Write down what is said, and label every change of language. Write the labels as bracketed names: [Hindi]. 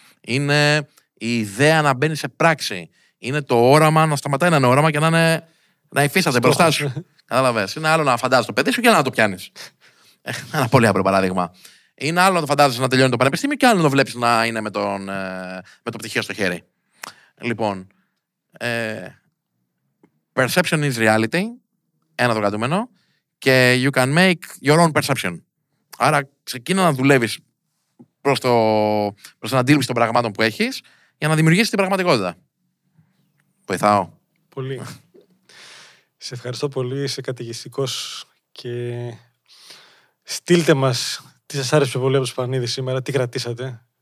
[Greek] Είναι η ιδέα να μπαίνει σε πράξη. Είναι το όραμα να σταματάει να είναι όραμα και να είναι. Να υφίσταται μπροστά σου. Κατάλαβες. Είναι άλλο να φαντάζει το παιδί σου και να το πιάνει. Ένα πολύ απλό παράδειγμα. Είναι άλλο να το φαντάζεσαι να τελειώνει το πανεπιστήμιο και άλλο να το βλέπεις να είναι με το πτυχίο στο χέρι. Λοιπόν, [English] perception is reality, [Greek] ένα το κρατούμενο, και [English] you can make your own perception. [Greek] Άρα ξεκίνα να δουλεύεις προς την αντίληψη των πραγμάτων που έχεις για να δημιουργήσεις την πραγματικότητα. Βοηθάω. Πολύ. Σε ευχαριστώ πολύ, είσαι καταιγιστικός και στείλτε μας τι σας άρεσε πολύ από το Σπανίδη σήμερα, τι κρατήσατε.